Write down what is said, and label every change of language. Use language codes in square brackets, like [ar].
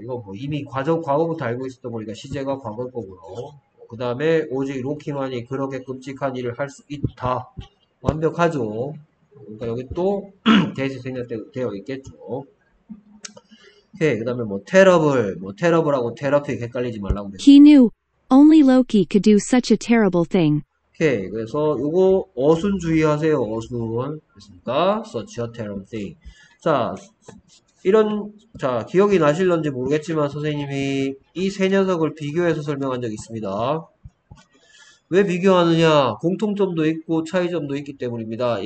[ko] 이거 뭐 이미 과거부터 알고 있었던 거니까 시제가 과거 거고요. 그 다음에 오직 로키만이 그렇게 끔찍한 일을 할수 있다. 완벽하죠. 그러니까 여기 또 대세 생략되어 있겠죠. 예, 그 다음에 뭐 테러블, 뭐 테러블하고 테러피 헷갈리지 말라고 [en] He knew only Loki could do such a terrible thing. [ko] 오케이, 그래서 요거 어순 주의하세요. 어순 됐습니까? [en] Such a terrible thing. [ko] 자, 이런 자 기억이 나실런지 모르겠지만 선생님이 이세 녀석을 비교해서 설명한 적이 있습니다. 왜 비교하느냐? 공통점도 있고 차이점도 있기 때문입니다.